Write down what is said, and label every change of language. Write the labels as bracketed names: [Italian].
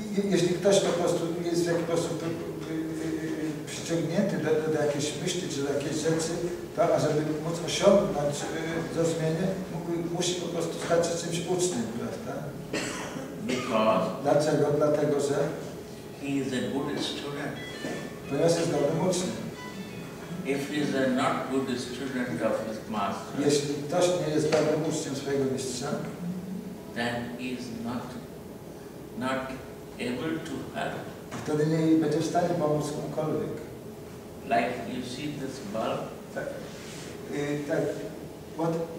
[Polish] Jeśli ktoś po prostu jest w jakiś sposób przyciągnięty do jakiejś myśli czy do jakiejś rzeczy, to ażeby móc osiągnąć zrozumienie, musi po prostu stać się czymś ucznym, prawda? [English] Because [Polish] dlaczego? Dlatego, że [English] he is a good student. [Polish] Ponieważ jest dobrym uczniem. [English] If he is a not good student of his master, [Polish] jeśli ktoś nie jest dobrym uczniem swojego mistrza, [English] then he is not able to help. [Polish] Wtedy nie będzie w stanie pomóc komukolwiek. [English] Like you see this bulb? [Polish] Tak. [English] What?